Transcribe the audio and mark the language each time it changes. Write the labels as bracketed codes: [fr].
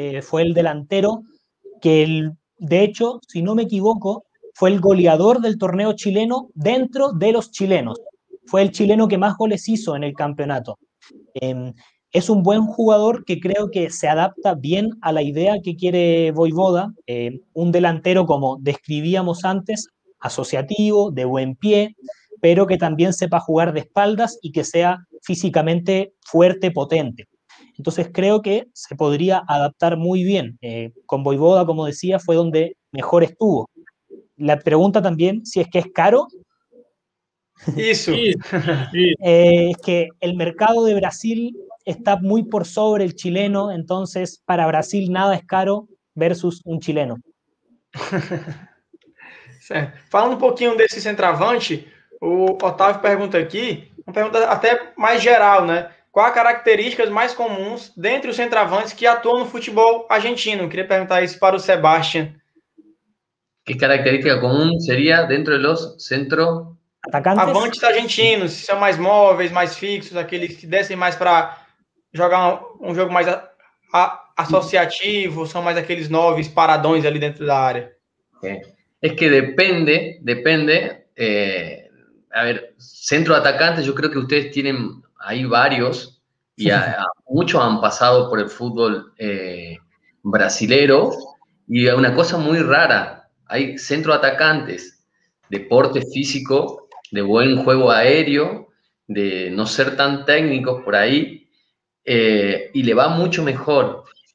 [pt] Foi o delantero que, [es] de hecho, [pt] se não me equivoco, foi o goleador do torneio chileno [es] dentro de los chilenos. [pt] Foi o chileno que mais [es] goles hizo en el campeonato. Es un buen jugador que creo que se adapta bien a la idea que quiere Vojvoda, un delantero como describíamos antes, asociativo, de buen pie, pero que también sepa jugar de espaldas y que sea físicamente fuerte, potente. Entonces creo que se podría adaptar muy bien. Con Vojvoda, como decía, fue donde mejor estuvo. La pregunta también, si es que es caro, eso. es que el mercado de Brasil está muy por sobre el chileno, entonces para Brasil nada es caro versus un chileno. [pt] Certo. [es] Falando un poquito de ese centroavante, o Otávio pregunta aquí, una pregunta até más general, ¿no? ¿Cuáles las características más comunes dentro de los centroavantes que actúan en el fútbol argentino? Quería preguntar eso para o Sebastián. ¿Qué característica común sería dentro de los centro atacantes? [pt] Avantes argentinos, são mais móveis, mais fixos, aqueles que descem mais para jogar um jogo mais associativo, são mais aqueles novos paradões ali dentro da área. [es] Es que depende. A ver, centro atacante, yo creo que ustedes tienen ahí varios y muchos han pasado por el fútbol brasilero y una cosa muy rara, hay centro atacantes, deporte físico, de buen juego aéreo, de no ser tan técnicos por ahí, y le va mucho mejor